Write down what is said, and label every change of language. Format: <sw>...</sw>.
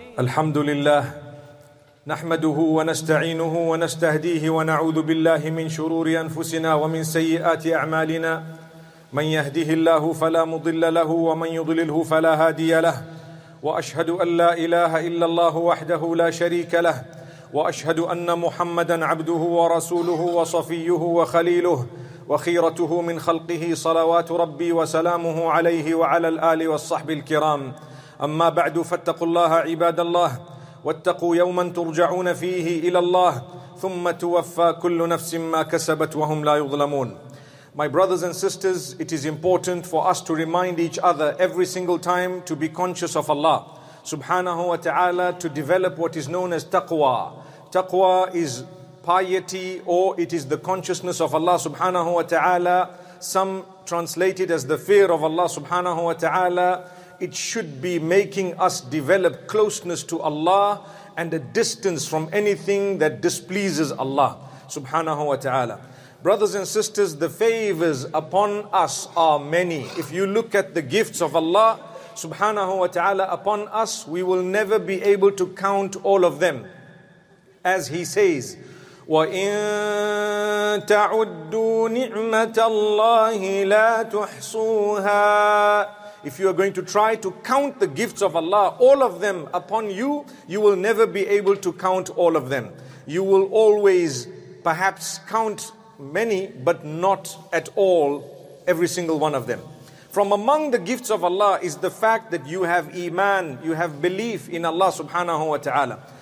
<ar>الحمد لله نحمده ونستعينه ونستهديه ونعوذ بالله من شرور أنفسنا ومن سيئات أعمالنا، من يهده الله فلا مضل له ومن يضلله فلا هادي له، وأشهد أن لا إله إلا الله وحده لا شريك له، وأشهد أن محمدًا عبده ورسوله وصفيه وخليله وخيرته من خلقه، صلوات ربي وسلامه عليه وعلى الآل والصحب الكرام. أما بعد، فاتقوا الله عباد الله، واتقوا يوماً ترجعون فيه إلى الله، ثم توفى كل نفس ما كسبت وهم لا يظلمون.</ar> <en>My brothers and sisters, it is important for us to remind each other every single time to be conscious of Allah subhanahu wa ta'ala, to develop what is known as taqwa. Taqwa is piety, or it is the consciousness of Allah subhanahu wa ta'ala. Some translate it as the fear of Allah subhanahu wa ta'ala. It should be making us develop closeness to Allah and a distance from anything that displeases Allah subhanahu wa ta'ala. Brothers and sisters, the favors upon us are many. If you look at the gifts of Allah subhanahu wa ta'ala upon us, we will never be able to count all of them.</en> <ar>As he says, وَإِن تَعُدُّوا نِعْمَةَ اللَّهِ لَا تُحْصُوهَا.</ar> <en>If you are going to try to count the gifts of Allah, all of them upon you, you will never be able to count all of them. You will always perhaps count many, but not at all every single one of them. From among the gifts of Allah is the fact that you have iman, you have belief in Allah subhanahu wa ta'ala.</en>